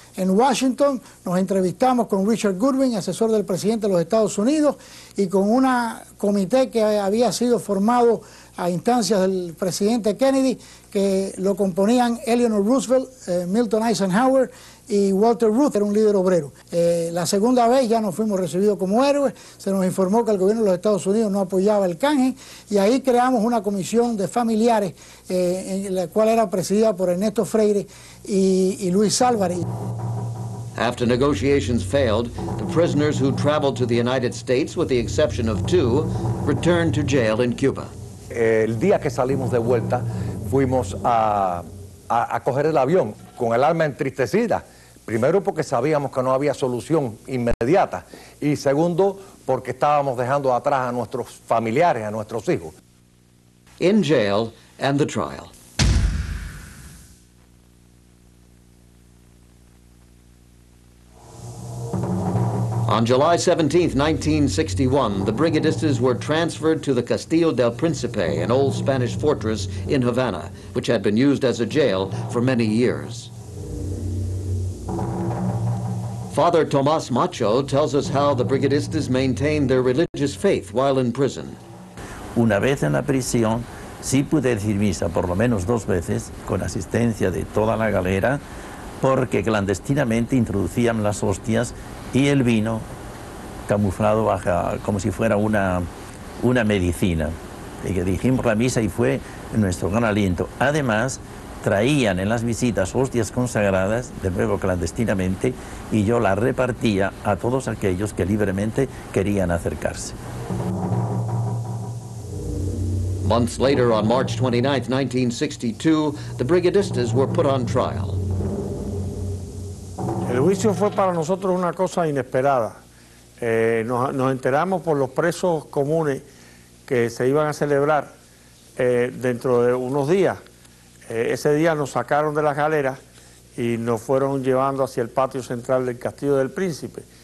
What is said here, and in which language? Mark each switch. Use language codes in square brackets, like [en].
[es] En Washington nos entrevistamos con Richard Goodwin, asesor del presidente de los Estados Unidos, y con un comité que había sido formado a instancias del presidente Kennedy, que lo componían Eleanor Roosevelt, Milton Eisenhower y Walter Ruth, era un líder obrero. La segunda vez ya nos fuimos recibidos como héroes, se nos informó que el gobierno de los Estados Unidos no apoyaba el canje, y ahí creamos una comisión de familiares, en la cual era presidida por Ernesto Freire y Luis Álvarez. [en] After negotiations failed, the prisoners who traveled to the United States, with the exception of two, returned to jail in Cuba. [es] El día que salimos de vuelta, fuimos a coger el avión con el alma entristecida. Primero, porque sabíamos que no había solución inmediata. Y segundo, porque estábamos dejando atrás a nuestros familiares, a nuestros hijos. [en] In jail and the trial. On July 17, 1961, the brigadistas were transferred to the Castillo del Príncipe, an old Spanish fortress in Havana, which had been used as a jail for many years. Father Tomás Macho tells us how the brigadistas maintained their religious faith while in prison. [es] Una vez en la prisión, sí pude decir misa por lo menos dos veces, con asistencia de toda la galera, porque clandestinamente introducían las hostias y el vino camuflado bajo, como si fuera una medicina. Y que dijimos la misa y fue nuestro gran aliento. Además, traían en las visitas hostias consagradas, de nuevo clandestinamente, y yo las repartía a todos aquellos que libremente querían acercarse. [en] Months later, on March 29, 1962, the Brigadistas were put on trial. [es] El juicio fue para nosotros una cosa inesperada. Nos enteramos por los presos comunes que se iban a celebrar dentro de unos días. Ese día nos sacaron de las galeras y nos fueron llevando hacia el patio central del Castillo del Príncipe.